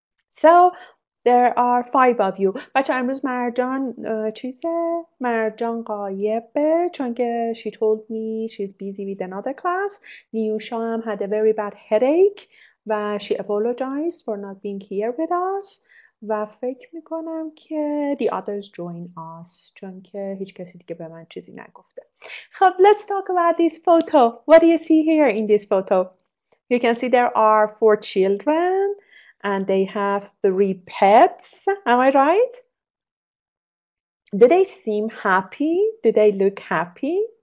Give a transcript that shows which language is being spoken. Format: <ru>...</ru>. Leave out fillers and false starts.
<en>So there are five of you.</en> <fa>بچه امروز مرجان چیزه؟ مرجان قایبه چون که</fa> <en>she told me she's busy with another class.</en> <fa>نیوشا هم</fa> <en>had a very bad headache</en> <fa>و</fa> <en>she apologized for not being here with us.</en> <fa>و فکر میکنم که</fa> <en>the others join us</en> <fa>چون که هیچ کسی دیگه به من چیزی نگفته. خب</fa> <en>let's talk about this photo. What do you see here in this photo? You can see there are four children and they have three pets. Am I right? Do they seem happy? Do they look happy?</en>